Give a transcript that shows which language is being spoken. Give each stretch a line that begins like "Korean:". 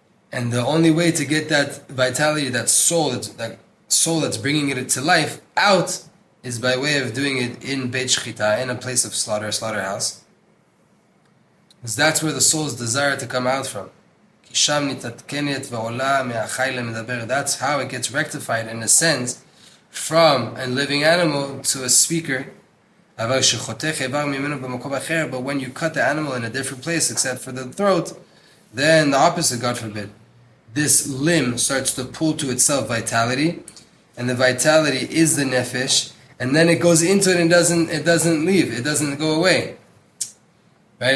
English: And the only way to get that vitality, that soul that's bringing it to life, out, is by way of doing it in Beit Shechita, in a place of slaughterhouse. Because that's where the soul's desire to come out from.
Hebrew: כי שם נתעדכנת ועולה מהחי למדבר.
English: That's how it gets rectified and ascends from a living animal to a speaker. אבל כשחותך איבר ממנו במקום אחר, but when you cut the animal in a different place except for the throat, then the opposite, God forbid. This limb starts to pull to itself vitality, and the vitality is the nefesh, and then it goes into it and doesn't leave, it doesn't go away. Right?